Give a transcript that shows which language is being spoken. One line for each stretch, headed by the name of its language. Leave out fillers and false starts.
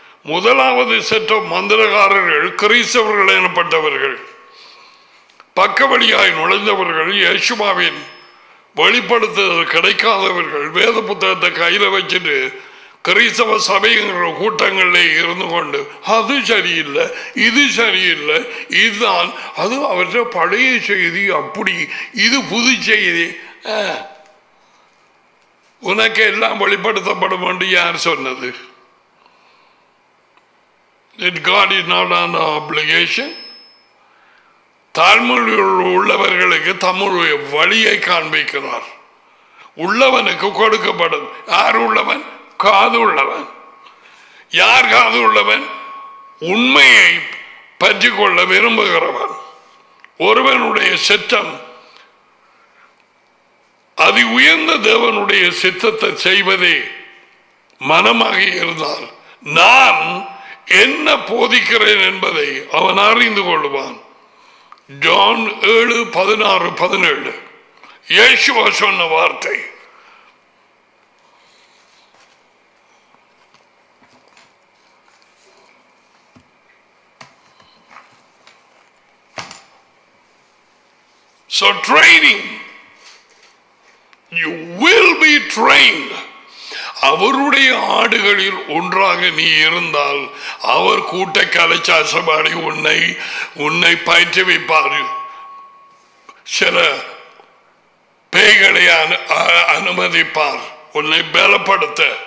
Tamil: முதலாவது
English: set of
Tamil: மந்திரகாரர்கள் கிறிஸ்தவர்கள் எனப்பட்டவர்கள், பக்கவழியாய் நுழைந்தவர்கள், யேசுமாவின் வெளிப்படுத்துதல் கிடைக்காதவர்கள், வேத புத்தகத்தை கையில வச்சுட்டு கிறிஸ்தவ சபைங்கிற கூட்டங்களில் இருந்து கொண்டு அது சரியில்லை, இது சரியில்லை, இதுதான் அது, அவற்ற பழைய செய்தி அப்படி, இது புது செய்தி. உனக்கு எல்லாம் வெளிப்படுத்தப்படும் என்று யார் சொன்னது?
English: That God is not an obligation.
Tamil: தாழ்மொழியில் உள்ளவர்களுக்கு தம்முடைய வழியை காண்பிக்கிறார். உள்ளவனுக்கு கொடுக்கப்படும். யார் உள்ளவன்? காது உள்ளவன். யார் காது உள்ளவன்? உண்மையை பற்றி கொள்ள விரும்புகிறவன். ஒருவனுடைய சித்தம் அதி உயர்ந்த தேவனுடைய சித்தத்தை செய்வதே மனமாக இருந்தால் நான் என்ன போதிக்கிறேன் என்பதை அவன் அறிந்து கொள்வான். ஜான் 7:16-17 இயேசுவா சொன்ன வார்த்தை.
English: So training, you will be trained.
Tamil: அவருடைய ஆடுகளில் ஒன்றாக நீ இருந்தால் அவர் கூட்ட கலைச்சாசபாடி உன்னை பயிற்றுவிப்பார். சில பேய்களை அனுமதிப்பார், உன்னை பலப்படுத்த.